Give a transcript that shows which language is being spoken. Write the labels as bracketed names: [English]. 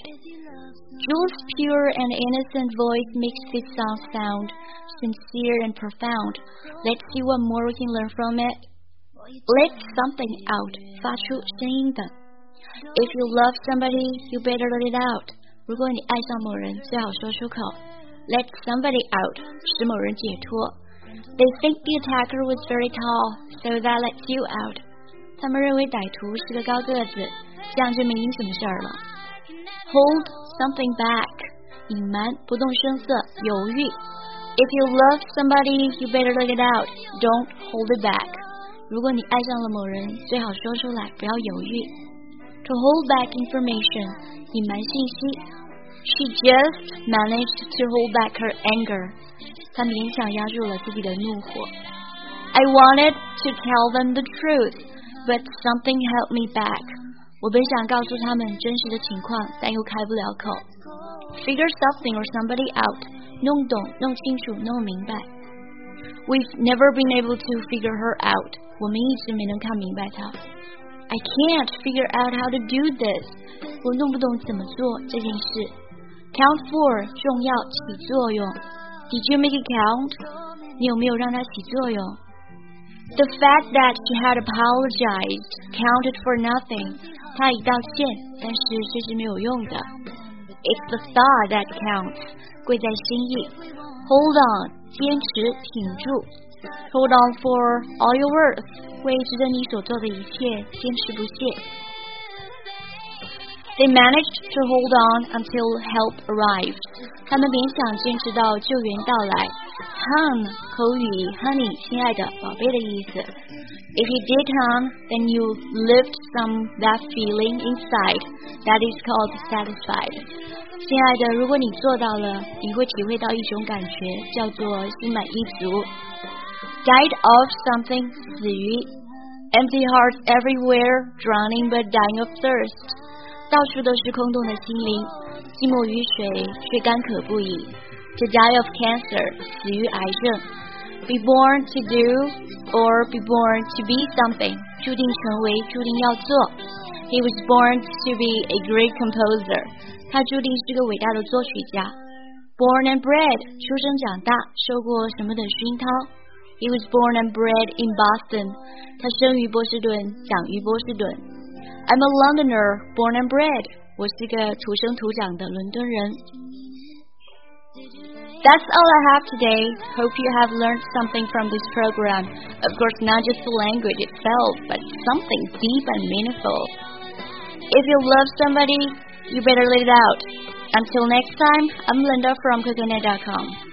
[English] Jewel's pure and innocent voice makes this song sound sincere and profound. Let's see what more we can learn from it. Let something out, [Chinese] 发出声音的。 [English] If you love somebody, you better let it out. [Chinese] 如果你爱上某人，最好说出口。 [English] Let somebody out, [Chinese] 使某人解脱。 [English] They think the attacker was very tall, so that lets you out. [Chinese] 他们认为歹徒是个高个子，这样就没你什么事了。 [English] Hold something back, [Chinese] 隐瞒，不动声色，犹豫。 [English] If you love somebody, you better let it out. Don't hold it back. [Chinese] 如果你爱上了某人，最好说出来，不要犹豫。 [English] To hold back information, [Chinese] 隐瞒信息。 [English] She just managed to hold back her anger. [Chinese] 她勉强压住了自己的怒火。 [English] I wanted to tell them the truth, but something held me back. [Chinese] 我本想告诉他们真实的情况，但又开不了口。 [English] Figure something or somebody out. [Chinese] 弄懂，弄清楚，弄明白。 [English] We've never been able to figure her out. [Chinese] 我们一直没能看明白她。 [English] I can't figure out how to do this. [Chinese] 我弄不懂怎么做这件事。 [English] Count four, [Chinese] 重要，起作用。 [English] Did you make it count? [Chinese] 你有没有让它起作用？ [English] The fact that she had apologized counted for nothing. [Chinese] 她已道歉，但是这是没有用的。 [English] It's the thought that counts. [Chinese] 贵在心意。 [English] Hold on, [Chinese] 坚持，挺住。 [English] Hold on for all your worth. [Chinese] 为值得你所做的一切，坚持不懈。 [English] They managed to hold on until help arrived. [Chinese] 他们勉强坚持到救援到来。 [English] Hun, [Chinese] 口语 honey, 亲爱的，宝贝的意思。 [English] If you did come, then you lived some that feeling inside. That is called satisfied. [Chinese] 亲爱的，如果你做到了，你会体会到一种感觉，叫做心满意足。 [English] Died of something, [Chinese] 死于。 [English] Empty hearts everywhere, drowning but dying of thirst. [Chinese] 到处都是空洞的心灵，寂寞于水，却干渴不已。 [English] To die of cancer, [Chinese] 死于癌症。 [English] Be born to do, or be born to be something, [Chinese] 注定成为，注定要做。 [English] He was born to be a great composer, [Chinese] 他注定是个伟大的作曲家。 [English] Born and bred, [Chinese] 出生长大，受过什么的熏陶。 [English] He was born and bred in Boston, [Chinese] 他生于波士顿，长于波士顿。 [English] I'm a Londoner, born and bred. [Chinese] 我是个土生土长的伦敦人。 [English] That's all I have today. Hope you have learned something from this program. Of course, not just the language itself, but something deep and meaningful. If you love somebody, you better let it out. Until next time, I'm Linda from Coconut.com.